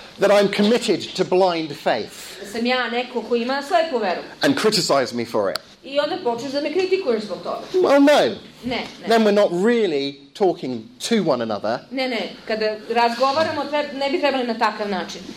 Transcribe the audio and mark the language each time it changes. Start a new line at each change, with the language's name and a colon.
English: That I'm committed to blind faith.
Serbian: Da sam ja neko koji ima slepu veru.
English: And criticize me for it.
Serbian: I onda počneš da me kritikuješ zbog toga.
English: Well, no.
Serbian: Ne, ne.
English: Then we're not really talking to one another.
Serbian: Ne, ne. Kada razgovaramo, ne bi trebali na takav način.